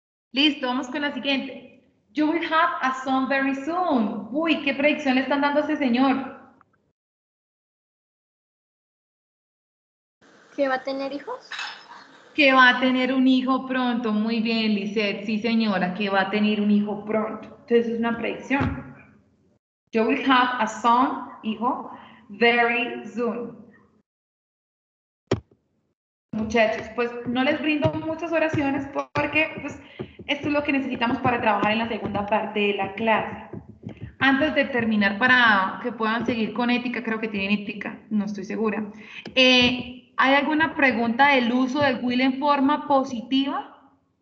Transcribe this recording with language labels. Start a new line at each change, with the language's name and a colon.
Spanish: Listo, vamos con la siguiente.
English: You will have a son very soon.
Spanish: Uy, ¿qué predicción le están dando a ese señor? ¿Que va a tener hijos? Que va a tener un hijo pronto. Muy bien, Lizeth. Sí, señora, que va a tener un hijo pronto. Entonces, es una predicción.
English: You will have a son, hijo, very soon.
Spanish: Muchachos, pues no les brindo muchas oraciones porque pues, esto es lo que necesitamos para trabajar en la segunda parte de la clase. Antes de terminar, para que puedan seguir con ética, creo que tienen ética, no estoy segura. ¿Hay alguna pregunta del uso del will en forma positiva?